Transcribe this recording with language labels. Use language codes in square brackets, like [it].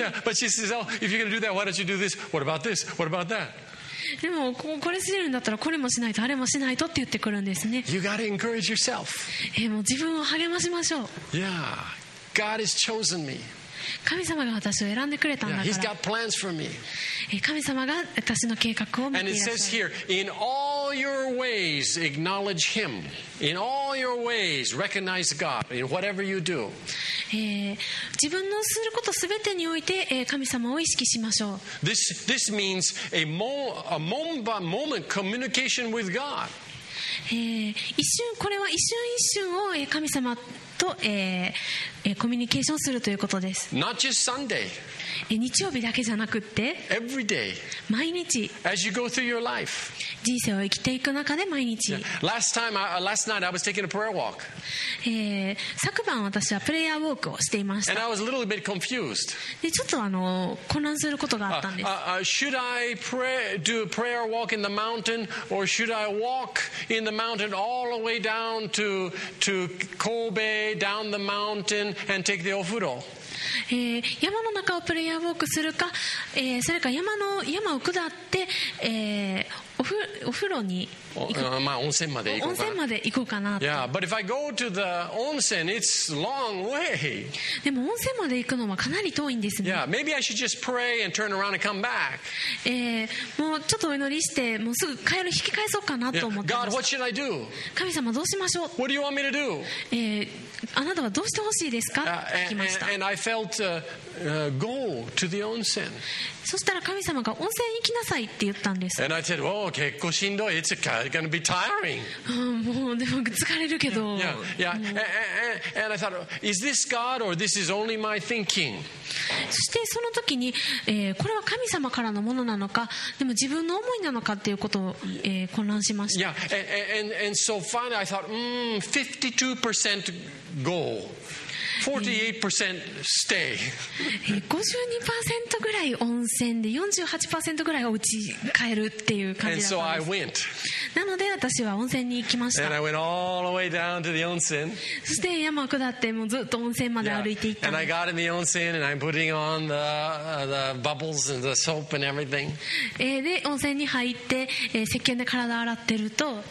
[en] Yeah, but she says, oh, if you're gonna do that, why don't you do this? What about this? What about that? [ja] でも これするんだったらこれもしないとあれもしないとって言ってくるんですね。 [en] You gotta encourage yourself. [ja] もう自分を励ましましょう。 [en] Yeah, God has chosen me. [ja] 神様が私を選んでくれたんだから。 [en] Yeah, He's got plans for me. [ja] 神様が私の計画を見ていらっしゃる。 [en] And it says here, in all your ways acknowledge Him. In all your ways recognize God in whatever you do. [ja] 自分のすることすべてにおいて、神様を意識しましょう。 [en] This means a moment by moment communication with God. [ja] 一瞬、これは一瞬一瞬を神様と、コミュニケーションするということです。 [en] Not just Sunday. [ja] 日曜日だけじゃなくって、 [en] Every day. [ja] 毎日。 [en] As you go through your life. [ja] 人生を生きていく中で毎日。 [en] Yeah. Last night I was taking a prayer walk. [ja] 昨晩私はプレイヤーウォークをしていました。 [en] And I was a little bit confused. [ja] でちょっと混乱することがあったんです。 [en] Should I do a prayer walk in the mountain or should I walk in the mountain all the way down to Kobe down the mountain and take the ofuro? [ja] 山の中をプレイヤーウォークするか、それか山を下って、お風呂に行く、まあ、温泉まで行こうかな。温泉まで行こうかな。 [en] Yeah, but if I go to the onsen, it's long way. [ja] でも温泉まで行くのはかなり遠いんですね。 [en] Yeah, maybe I should just pray and turn around and come back. [ja] もうちょっとお祈りして、もうすぐ帰る引き返そうかなと思ってました。 [en] God, what should I do? [ja] 神様どうしましょう。 [en] What do you want me to do? [ja] あなたはどうしてほしいですか？聞きました。 [en] And I felt, go to the onsen. [ja] そしたら神様が温泉行きなさいって言ったんです。 [en] And I said, oh, [ja] 結構しんどい。 [en] It's going to be tiring. [ja] もうでも疲れるけど。 [en] And I thought, is this God or this is only my thinking? [ja] そしてその時に、これは神様からのものなのか、でも自分の思いなのかっていうことを、混乱しました。 [en] Yeah, and so finally I thought, 52%Goal. 48% stay. [ja] 52% ぐらい温泉で 48% ぐらいお家帰るっていう感じだったんです。なので私は温泉に行きました。 [en] And I went all the way down to the onsen. [ja] そして山を下ってもうずっと温泉まで歩いていった。 [en] And I got in the onsen and I'm putting on the bubbles and the soap and everything. [ja] で温泉に入って、石鹸で体洗ってると。